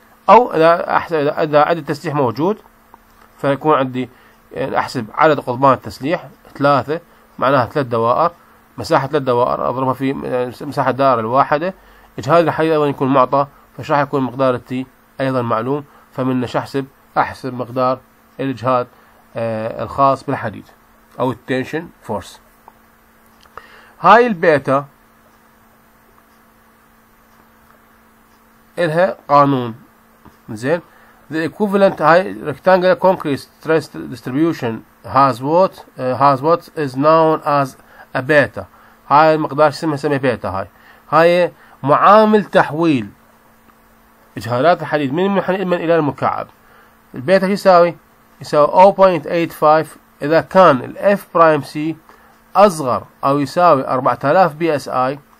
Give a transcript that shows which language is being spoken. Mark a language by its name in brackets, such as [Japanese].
[Arabic] او اذا عدد التسليح موجود فيكون عندي يعني احسب عدد قضبان التسليح 3 معناها 3 دوائر، مساحة ثلاث دوائر اضربها في مساحة الدائرة الواحدة، اجهاد الحديد ايضا يكون معطى، فش راح يكون مقدار التي ايضا معلوم. فمن نش احسب مقدار الاجهاد الخاص بالحديد او التنشن فورس. هاي البيتا الها قانون زين، [English] the equivalent high rectangular concrete stress distribution has what is known as a beta. [Arabic] هاي المقدار اسمه بيتا، هاي معامل تحويل اجهادات الحديد من المحلل الى المكعب. البيتا شو يساوي؟ يساوي 0.85 اذا كان الاف برايم سي اصغر او يساوي 4000 بي اس اي.